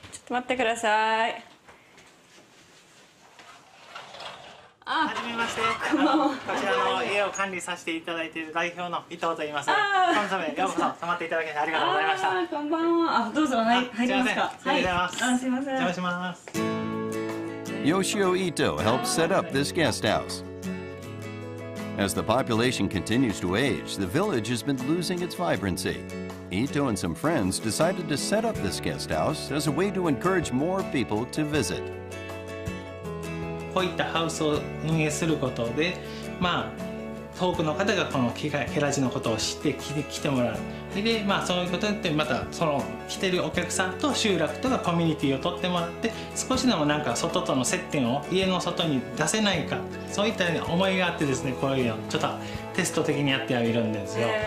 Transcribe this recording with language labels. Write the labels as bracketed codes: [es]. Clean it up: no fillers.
[ja] ちょっと待ってください。こちらの家を管理させていただいている代表の伊藤と言います。こんにちは。ようこそ泊まっていただきありがとうございました。こんばんは。どうぞ、はい、入りますか。すみません。すみません。邪魔します。 [en] Yoshio Ito helps set up this guest house. As the population continues to age, the village has been losing its vibrancy. Ito and some friends decided to set up this guest house as a way to encourage more people to visit. [ja] こういったハウスを運営することで、まあ、遠くの方がこのケラジのことを知って来てもらう。で、まあ、そういうことによってまたその来てるお客さんと集落とかコミュニティを取ってもらって、少しでもなんか外との接点を家の外に出せないか、そういったような思いがあってですね、こういうのをちょっとテスト的にやってはいるんですよ。